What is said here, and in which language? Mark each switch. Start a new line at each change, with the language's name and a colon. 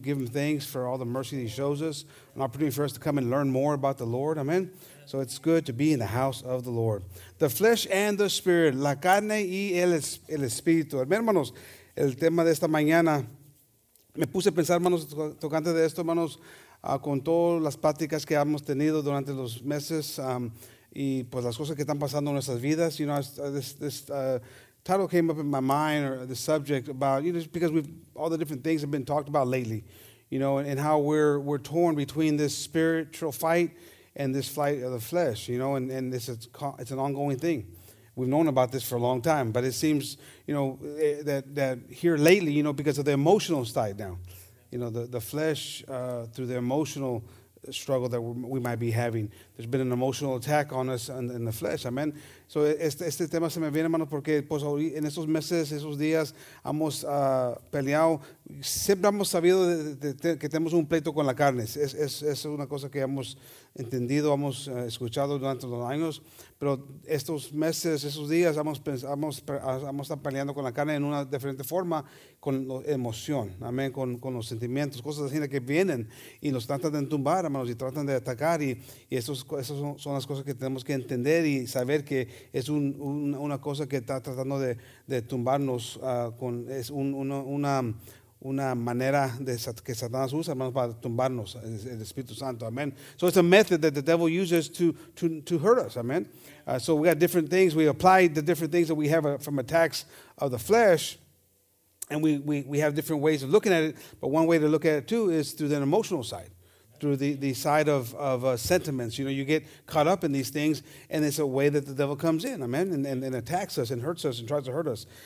English: Give him thanks for all the mercy that He shows us. An opportunity for us to come and learn more about the Lord. Amen. So it's good to be in the house of the Lord. The flesh and the spirit,
Spanish: la carne y el espíritu. Hermanos, el tema de esta mañana, me puse a pensar, hermanos, tocante de esto, hermanos, con todas las pláticas que hemos tenido durante los meses y pues las cosas que están pasando en nuestras vidas.
English: You know, this title came up in my mind, or the subject about, you know, just because all the different things have been talked about lately, you know, and how we're torn between this spiritual fight and this flight of the flesh, you know, and it's an ongoing thing. We've known about this for a long time, but it seems, you know, that here lately, you know, because of the emotional side now, you know, the flesh through the emotional struggle that we might be having, there's been an emotional attack on us in the flesh. Amen.
Spanish: So este tema se me viene, hermano, porque pues en esos meses, esos días, hemos peleado. Siempre hemos sabido que tenemos un pleito con la carne. Es una cosa que hemos entendido, hemos escuchado durante los años. Pero estos meses, esos días, hemos estado peleando con la carne en una diferente forma, con la emoción, amén, con los sentimientos, cosas así que vienen y nos tratan de entumbar, hermanos, y tratan de atacar. Y esas son las cosas que tenemos que entender y saber que es una cosa que está tratando de tumbarnos con es una manera de que Satanás usa, hermanos, para tumbarnos el Espíritu Santo. Amen.
English: So it's a method that the devil uses to hurt us. Amen. So we got different things. We apply the different things that we have from attacks of the flesh, and we have different ways of looking at it. But one way to look at it too is through the emotional side. Through the side of sentiments, you know, you get caught up in these things, and it's a way that the devil comes in, amen, and attacks us and hurts us and tries to hurt us.